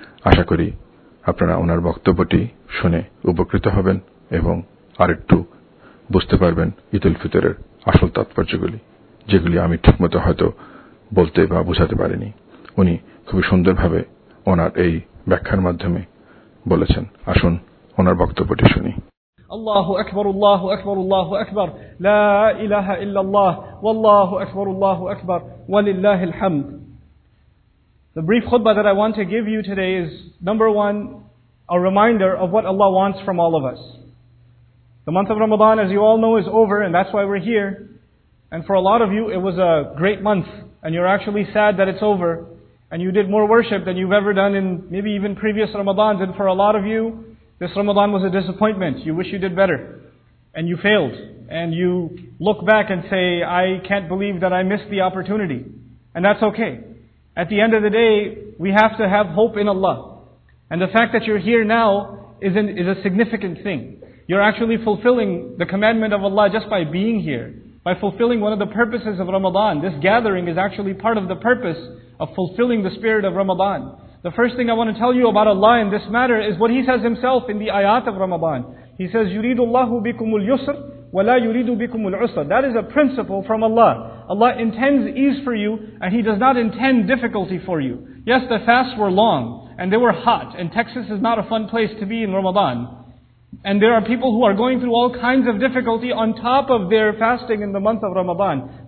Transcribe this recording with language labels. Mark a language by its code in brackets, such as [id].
[bn] আশা করি আপনারা ওনার বক্তব্যটি শুনে উপকৃত হবেন এবং আরেকটু বুঝতে পারবেন ঈদ উল ফিতরের আসল তাৎপর্যগুলি, যেগুলি আমি ঠিকমতো হয়তো বলতে বা বোঝাতে পারিনি। উনি খুবই সুন্দরভাবে ওনার এই ব্যাখ্যার মাধ্যমে বলেছেন। আসুন ওনার বক্তব্যটি শুনি। [ar] الله أكبر الله أكبر الله أكبر لا إله إلا الله والله أكبر الله أكبر ولله الحمد. [en] The brief khutbah that I want to give you today is, number one, a reminder of what Allah wants from all of us. The month of Ramadan, as you all know, is over, and that's why we're here. And for a lot of you, it was a great month, and you're actually sad that it's over, and you did more worship than you've ever done in maybe even previous Ramadans. And for a lot of you, this Ramadan was a disappointment. You wish you did better. And you failed. And you look back and say, I can't believe that I missed the opportunity. And that's okay. At the end of the day, we have to have hope in Allah. And the fact that you're here now is a significant thing. You're actually fulfilling the commandment of Allah just by being here. By fulfilling one of the purposes of Ramadan. This gathering is actually part of the purpose of fulfilling the spirit of Ramadan. The first thing I want to tell you about Allah in this matter is what He says Himself in the ayat of Ramadan. He says, [ar] يُرِيدُ اللَّهُ بِكُمُ الْيُسْرِ وَلَا يُرِيدُ بِكُمُ الْعُسْرِ. [en] That is a principle from Allah. Allah intends ease for you, and He does not intend difficulty for you. Yes, the fasts were long, and they were hot, and Texas is not a fun place to be in Ramadan. And there are people who are going through all kinds of difficulty on top of their fasting in the month of Ramadan.